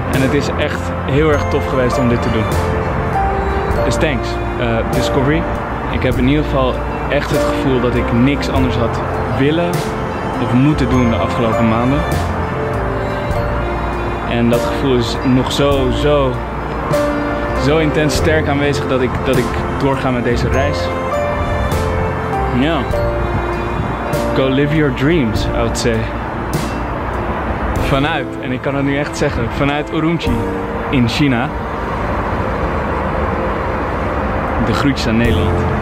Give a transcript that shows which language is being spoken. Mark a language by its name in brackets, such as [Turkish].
[Dutch] En het is echt heel erg tof geweest om dit te doen. Dus [English] thanks, [Dutch] Discovery. Ik heb in ieder geval echt het gevoel dat ik niks anders had willen nog moeten doen de afgelopen maanden. En dat gevoel is nog zo intens sterk aanwezig dat ik doorga met deze reis. Ja. Yeah. [English] Go live your dreams, I would say. [Dutch] Vanuit, en ik kan het nu echt zeggen, vanuit Urumqi in China. De groetjes aan Nederland.